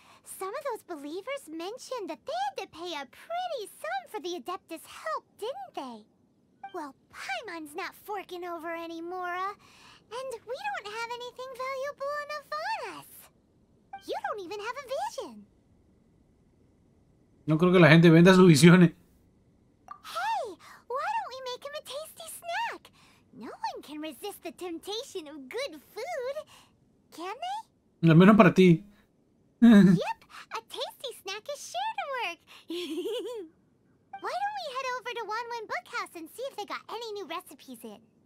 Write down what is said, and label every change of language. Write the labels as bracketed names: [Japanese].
[English] Some of those believers mentioned that they had to pay a pretty sum for the Adeptus' help, didn't they? Well, Paimon's not forking over any mora, and we don't have anything valuable enough on us. You don't even have a vision. [Spanish] No creo que la gente venda sus visiones. [English] Hey, why don't we make him a tasty snack? No one can resist the temptation of good food, can they? [Spanish] Al menos para ti. [English] Yep, a tasty snack is sure to work. Why don't we head over to Wanwen Bookhouse and see if they got any new recipes in?